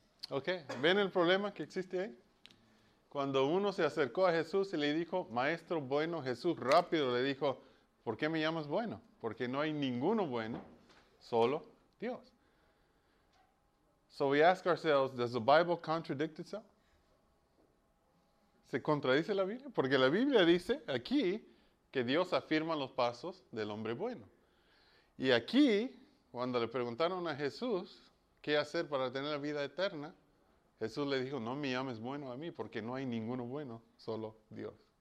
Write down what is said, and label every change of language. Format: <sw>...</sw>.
<es>Ok, ¿ven el problema que existe ahí? Cuando uno se acercó a Jesús y le dijo, maestro bueno, Jesús rápido le dijo, ¿por qué me llamas bueno? Porque no hay ninguno bueno, solo Dios.</es> <en>So we ask ourselves, does the Bible contradict itself?</en> <es>¿Se contradice la Biblia? Porque la Biblia dice aquí que Dios afirma los pasos del hombre bueno. Y aquí, cuando le preguntaron a Jesús, ¿qué hacer para tener la vida eterna? Jesús le dijo, no me llames bueno a mí, porque no hay ninguno bueno, solo Dios.</es>